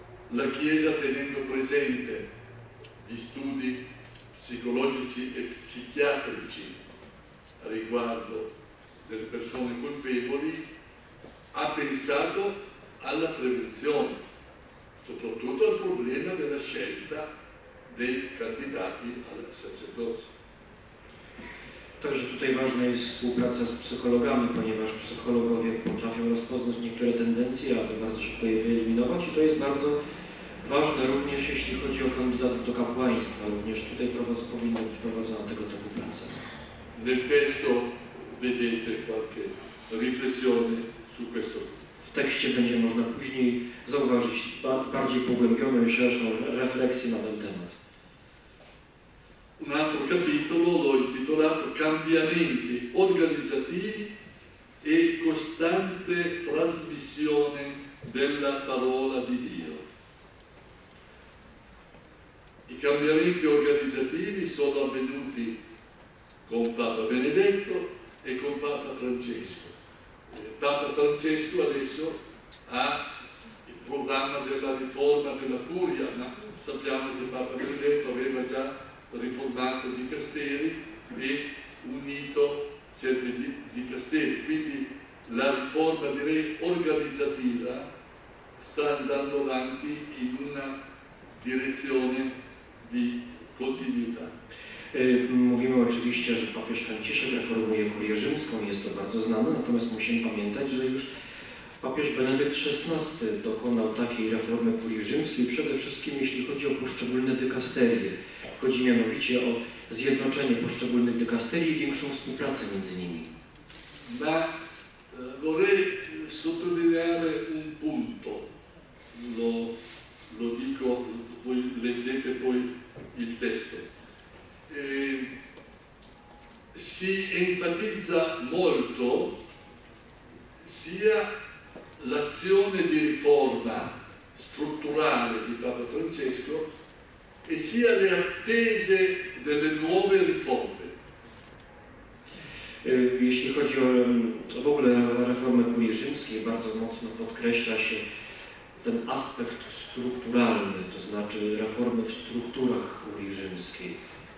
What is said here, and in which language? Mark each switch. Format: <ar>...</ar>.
<it>La Chiesa, tenendo presente gli studi psicologici e psichiatrici a riguardo delle persone colpevoli, ha pensato alla prevenzione, soprattutto al problema della scelta dei candidati al sacerdozio.</it> <pl>Także tutaj ważna jest współpraca z psychologami, ponieważ psychologowie potrafią rozpoznać niektóre tendencje, aby bardzo szybko je wyeliminować i to jest bardzo ważne również, jeśli chodzi o kandydatów do kapłaństwa. Również tutaj powinna być prowadzona tego typu praca.</pl> <it>Nel testo vedete qualche riflessione su questo.</it> <pl>W tekście będzie można później zauważyć bardziej pogłębioną i szerszą refleksję na ten temat.</pl> <it>Un altro capitolo l'ho intitolato Cambiamenti organizzativi e costante trasmissione della parola di Dio. I cambiamenti organizzativi sono avvenuti con Papa Benedetto e con Papa Francesco. Papa Francesco adesso ha il programma della riforma della Curia, ma sappiamo che Papa Benedetto aveva già riformato di Casteri e unito certi di Casteri, quindi la riforma direi organizzativa sta andando avanti in una direzione di continuità.</it> <pl>Mówimy oczywiście, że papież Franciszek reformuje Kurię Rzymską, jest to bardzo znane, natomiast musimy pamiętać, że już papież Benedykt XVI dokonał takiej reformy Kurii Rzymskiej, przede wszystkim jeśli chodzi o poszczególne dykasterie. Chodzi mianowicie o zjednoczenie poszczególnych dykasterii i większą współpracę między nimi.</pl> <it>Ma, vorrei sottolineare un punto. Lo dico, voi leggete poi il testo. Si enfatizza molto sia l'azione di riforma strutturale di Papa Francesco e sia le attese delle nuove riforme.</it> <pl>Jeśli chodzi o w ogóle reformę Kurii Rzymskiej, bardzo mocno podkreśla się ten aspekt strukturalny, to znaczy reformy w strukturach Kurii Rzymskiej.</pl>